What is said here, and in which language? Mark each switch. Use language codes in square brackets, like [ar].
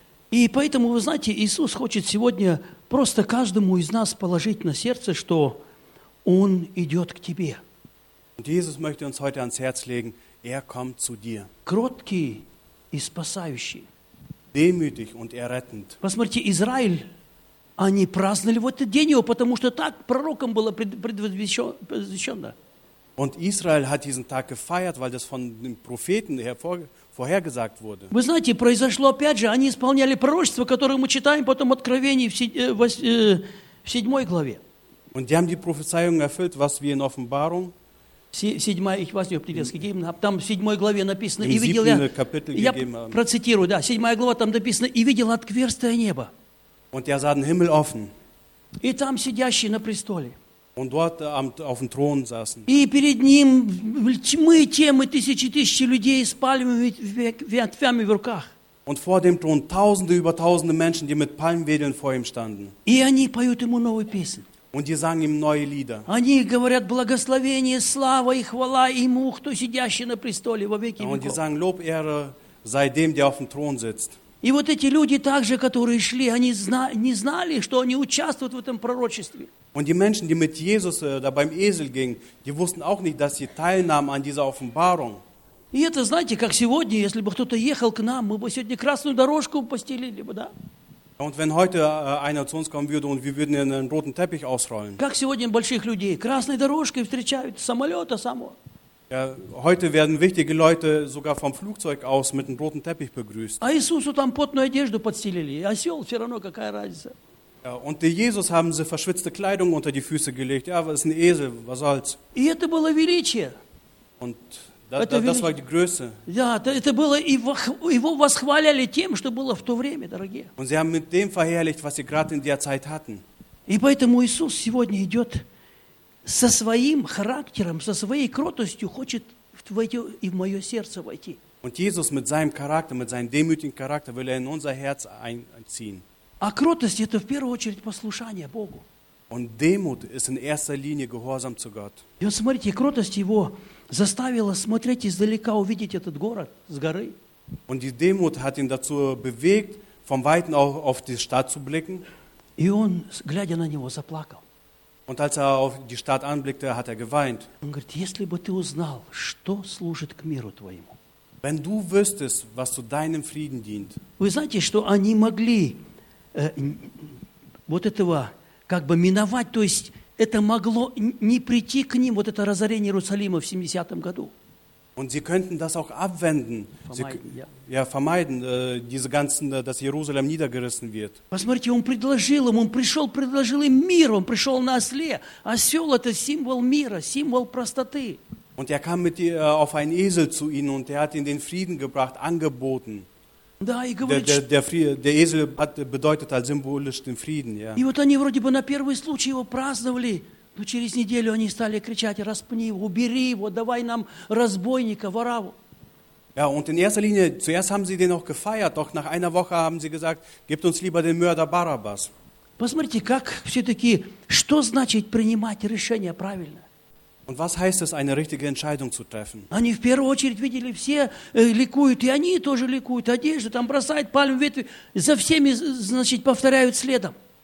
[ru] И поэтому, вы знаете, Иисус хочет сегодня просто каждому из нас положить на сердце, что Он идет к тебе. [de] Und Jesus möchte uns heute ans Herz legen, er kommt zu dir. [ru] Кроткий и спасающий. [de] Demütig und errettend. [ru] Посмотрите, Израиль Они праздновали в этот день его, потому что так пророком было предвещено. [de] Und Israel hat diesen Tag gefeiert, weil das von den Propheten vorhergesagt wurde. [ru] Вы знаете, произошло опять же, они исполняли пророчество, которое мы читаем потом Откровении в 7 главе. [de] Und die haben die Prophezeiung erfüllt, was wir in Offenbarung. [ru] Там в 7 главе написано, и видел я. Я процитирую, да, 7 глава там написано, и видел отверстие неба. [de] Und er sah den Himmel offen. [ru] И там сидящий на престоле. [de] Und dort auf dem Thron saßen. [ru] И перед ним тьмы, темы, тысячи, тысячи людей с пальмами, ветвями в руках. [de] Und vor dem Thron tausende über tausende Menschen, die mit Palmwedeln vor ihm standen. [ru] И они поют ему новые песни. [de] Und die sangen ihm neue Lieder. [ru] Они говорят благословение, слава и хвала ему, кто сидящий на престоле во веки веков. [de] Und die sangen Lob, Ehre, sei dem, der auf dem Thron sitzt. [ru] И вот эти люди также, которые шли, они не знали, что они участвуют в этом пророчестве. [de] Und die Menschen, die mit Jesus da beim Esel gingen, die wussten auch nicht, dass sie teilnahmen an dieser Offenbarung. [ru] И это, знаете, как сегодня, если бы кто-то ехал к нам, мы бы сегодня красную дорожку постелили бы, да? [de] Und wenn heute einer zu uns kommen würde und wir würden einen roten Teppich ausrollen. [ru] Как сегодня больших людей красной дорожкой встречают самолета самого. [de] Ja, heute werden wichtige Leute sogar vom Flugzeug aus mit einem roten Teppich begrüßt. [ru] А Иисусу там потную одежду подстелили, осел все равно, какая разница. [de] Ja, und die Jesus haben sie verschwitzte Kleidung unter die Füße gelegt. Ja, was ist ein Esel, was soll's? [ru] И это было величие. [de] Und das war die Größe. [ru] Ja, это было, его восхваляли тем, что было в то время, дорогие. [de] Und sie haben mit dem verherrlicht, was sie gerade in der Zeit hatten. [ru] И поэтому Иисус сегодня идет со своим характером, со своей кротостью, хочет и в мое сердце войти. [de] Und Jesus mit seinem Charakter, mit seinem demütigen Charakter will er in unser Herz einziehen. [ru] А кротость – это в первую очередь послушание Богу. [de] Und Demut ist in erster Linie Gehorsam zu Gott. [ru] И вот смотрите, кротость его заставила смотреть издалека, увидеть этот город с горы. [de] Und die Demut hat ihn dazu bewegt, vom Weiten auf die Stadt zu blicken. [ru] И он, глядя на него, заплакал. [de] Und als er auf die Stadt anblickte, hat er geweint. [ru] Он говорит, если бы ты узнал, что служит к миру твоему. [de] Wenn du wüsstest, was zu deinem Frieden dient. [ru] Вы знаете, что они могли вот этого как бы миновать, то есть это могло не прийти к ним, вот это разорение Иерусалима в 70-м году. [de] Und sie könnten das auch abwenden, vermeiden, diese ganzen, dass Jerusalem niedergerissen wird. [ru] Посмотрите, он предложил им, он пришел, предложил им мир, он пришел на осле. Осел – это символ мира, символ простоты. [de] Und er kam mit auf einen Esel zu ihnen und er hat ihnen den Frieden gebracht, angeboten. [ru] Да, и говорит, [de] der Esel bedeutet halt symbolisch den Frieden, ja. [ru] И вот они вроде бы на первый случай его праздновали, но через неделю они стали кричать: распни его, убери его, давай нам разбойника, Вараву. [de] Ja, und in erster Linie, zuerst haben sie den auch gefeiert, doch nach einer Woche haben sie gesagt, gebt uns lieber den Mörder Barabbas. [ru] Посмотрите, как все-таки, что значит принимать решение правильно? [de] Und was heißt es, eine richtige Entscheidung zu treffen? [ru] Они в первую очередь видели, все ликуют, и они тоже ликуют, одежду там бросают, пальмы, ветви, за всеми, значит, повторяют следом.